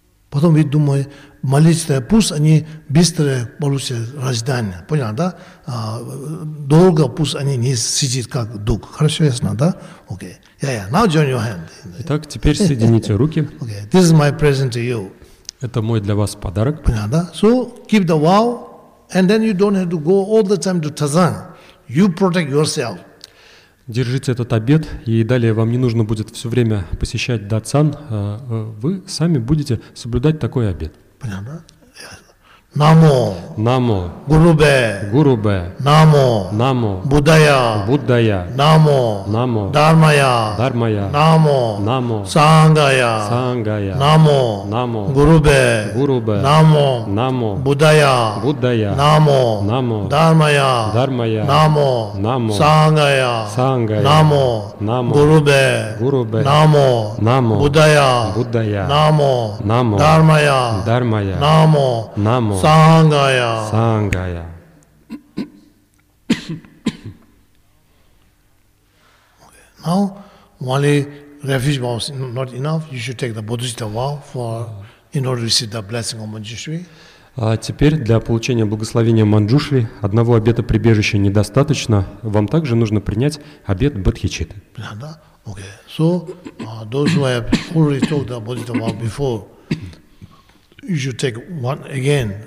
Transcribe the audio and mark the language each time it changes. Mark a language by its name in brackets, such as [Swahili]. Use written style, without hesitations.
[Russian] Потом я думаю, молитесь, пусть они быстро получат рождение, понял, да? Долго пусть они не сидят как дух. Хорошо, ясно, да? Окей. [English] Now join your hand. [Russian] Итак, теперь соедините руки. [English] Okay. This is my present to you. [Russian] Это мой для вас подарок. Понял, да? [English] So keep the vow, and then you don't have to go all the time to Tazan. You protect yourself. [Russian] Держите этот обет, и далее вам не нужно будет все время посещать датсан. Вы сами будете соблюдать такой обет. Понятно? [Sanskrit] Намо. Намо. Гурубе. Гурубе. Намо. Намо. Буддая. Буддая. Намо. Намо. Дармая. Дармая. Намо. Намо. Сангая. Сангая. Намо. Намо. Гурубе. Гурубе. Намо. Намо. Буддая. Буддая. Намо. Намо. Дармая. Дармая. Намо. Намо. Сангая. Сангая. Намо. Намо. Гурубе. Гурубе. Намо. Намо. Буддая. Буддая. Намо. Намо. Дармая. Дармая. Намо. Намо. Сангая. Сангая. [English] Now, only refuge vow is not enough. You should take the Bodhisattva vow in order to receive the blessing of Manjushri. [Russian] Теперь для получения благословения Манджушри одного обета прибежища недостаточно. Вам также нужно принять обет Бодхичитты. Да? Okay. [English] So, those who have already took the Bodhisattva vow before, you should take one again.